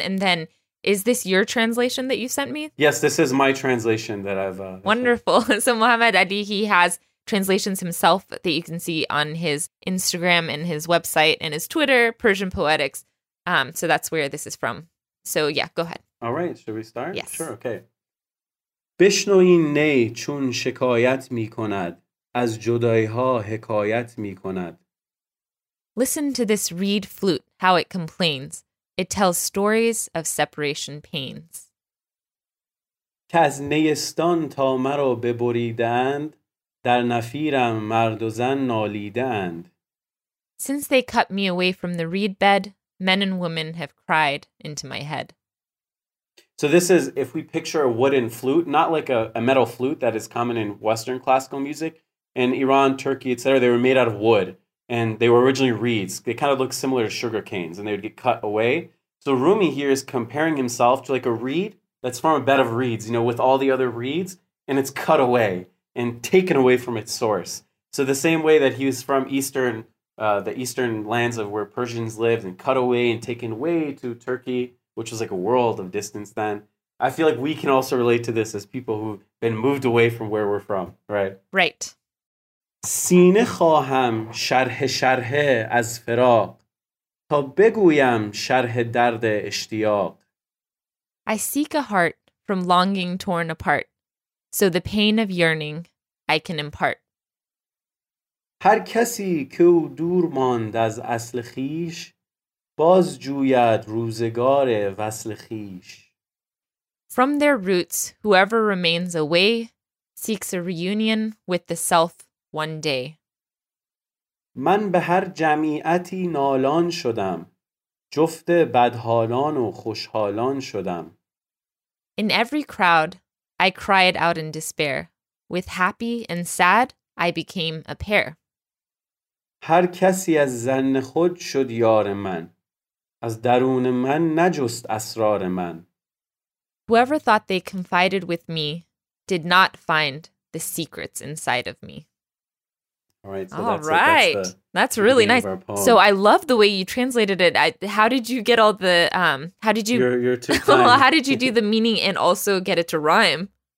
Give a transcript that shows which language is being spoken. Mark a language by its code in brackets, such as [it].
[en] And then is this your translation that you sent me? Yes, this is my translation that I've... Wonderful. So Muhammad Adi, he has translations himself that you can see on his Instagram and his website and his Twitter, Persian Poetics. So that's where this is from. So yeah, go ahead. All right. Should we start? Yes. Sure. Okay. [fa] بشنوین نی چون شکایت می کند از جدائی ها حکایت می کند. [en] Listen to this reed flute, how it complains. It tells stories of separation pains. [fa] که از نیستان تا مرا ببریدند در نفیرم مرد و زن نالیدند. [en] Since they cut me away from the reed bed, Men and women have cried into my head. So this is, if we picture a wooden flute, not like a metal flute that is common in Western classical music, in Iran, Turkey, etc., they were made out of wood, and they were originally reeds. They kind of look similar to sugar canes, and they would get cut away. So Rumi here is comparing himself to like a reed that's from a bed of reeds, you know, with all the other reeds, and it's cut away and taken away from its source. So the same way that he was from the eastern lands of where Persians lived and cut away and taken away to Turkey, which was like a world of distance then, I feel like we can also relate to this as people who've been moved away from where we're from, right? Right. [fa] سینه خواهم شرح شرح از فراق تا بگویم شرح درد اشتیاق. [en] I seek a heart from longing torn apart, so the pain of yearning I can impart. [fa] هر کسی که او دور ماند از اصل خیش باز جوید روزگار وصل خیش. [en] From their roots, whoever remains away seeks a reunion with the self one day. [fa] من به هر جمعیتی نالان شدم، جفت بدحالان و خوشحالان شدم. [en] In every crowd, I cried out in despair. With happy and sad, I became a pair. [fa] هر کسی از زن خود شد یار من، از درون من نجست اسرار من. [en] Whoever thought they confided with me did not find the secrets inside of me. All right. That's really nice. So I love the way you translated it. How did you get all the how did you you're too kind. How did you do the meaning and also get it to rhyme?